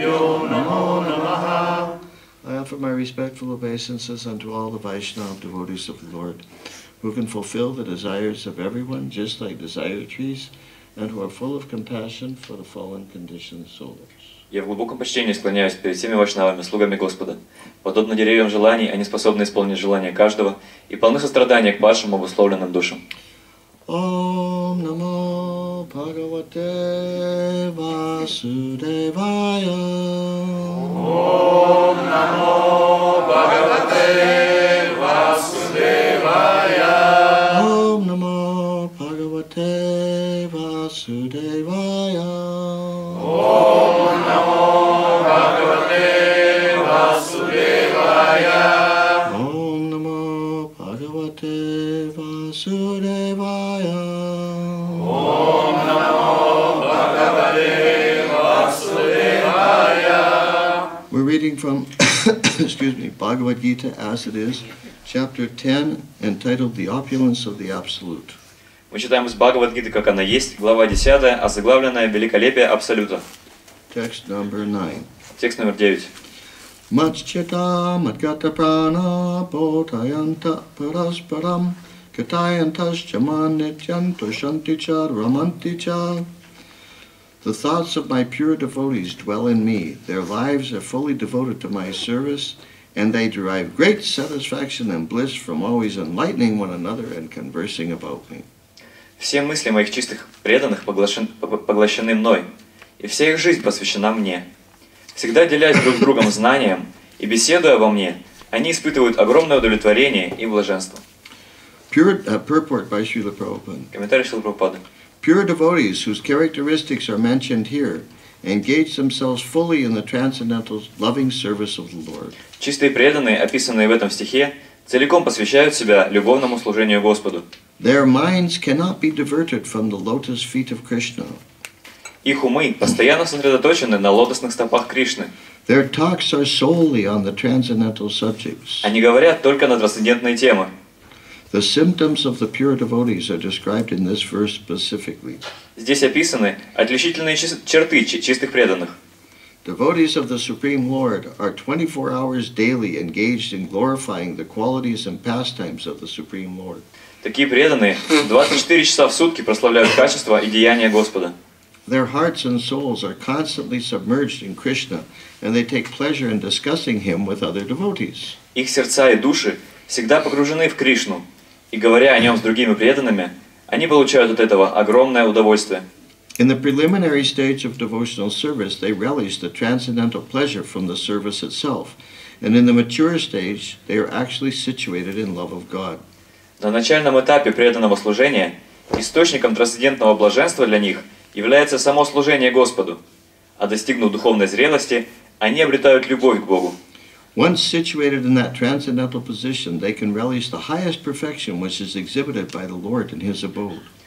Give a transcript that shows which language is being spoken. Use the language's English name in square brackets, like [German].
[English] I offer my respectful obeisances unto all the Vaishnava devotees of the Lord, who can fulfill the desires of everyone just like desire trees, and who are full of compassion for the fallen conditioned souls. [Russian] Я в глубоком почтении склоняюсь перед всеми вайшнавами, слугами Господа. Подобно деревьям желаний, они способны исполнить желания каждого и полны сострадания к падшим обусловленным душам. [Sanskrit] Ом намо Бхагавате Васудевая. Ом намо Бхагавате Васудевая. Ом намо Бхагавате Васудевая. Ом намо Бхагавате Васудевая. Ом намо Бхагавате Васудевая. [English] Reading from, excuse me, Bhagavad Gita as it is, chapter 10, entitled "The Opulence of the Absolute." [Russian] Мы читаем из Бхагавад Гиты, как она есть, глава 10, озаглавленная "Великолепие Абсолюта." [English] Text number 9. [Russian] Текст номер 9. [Sanskrit] Matchita matgata prana bodhayanta parasparam katayantas chamanityanto shanticha ramanticha. [English] The thoughts of my pure devotees dwell in me. Their lives are fully devoted to my service, and they derive great satisfaction and bliss from always enlightening one another and conversing about me. [Russian] Все мысли моих чистых преданных поглощены мной. и вся их жизнь посвящена мне. Всегда делясь друг с другом знанием и беседуя обо мне, они испытывают огромное удовлетворение и блаженство. Комментарий Шрилы Прабхупады. [English] Pure devotees, whose characteristics are mentioned here, engage themselves fully in the transcendental loving service of the Lord. [Russian] Чистые преданные, описанные в этом стихе, целиком посвящают себя любовному служению Господу. [English] Their minds cannot be diverted from the lotus feet of Krishna. [Russian] Их умы постоянно сосредоточены на лотосных стопах Кришны. [English] Their talks are solely on the transcendental subjects. [Russian] Они говорят только на трансцендентные темы. [English] The symptoms of the pure devotees are described in this verse specifically. [Russian] Здесь описаны отличительные черты чистых преданных. [English] Devotees of the Supreme Lord are 24 hours daily engaged in glorifying the qualities and pastimes of the Supreme Lord. [Russian] Такие преданные 24 часа в сутки прославляют качества и деяния Господа. [English] Their hearts and souls are constantly submerged in Krishna, and they take pleasure in discussing him with other devotees. [Russian] Их сердца и души всегда погружены в Кришну, и говоря о нем с другими преданными, они получают от этого огромное удовольствие. [English] In the preliminary stage of devotional service, they relish the transcendental pleasure from the service itself, and in the mature stage, they are actually situated in love of God. [Russian] На начальном этапе преданного служения источником трансцендентного блаженства для них является само служение Господу, а достигнув духовной зрелости, они обретают любовь к Богу. [English] Once situated in that transcendental position, they can realize the highest perfection which is exhibited by the Lord in His abode.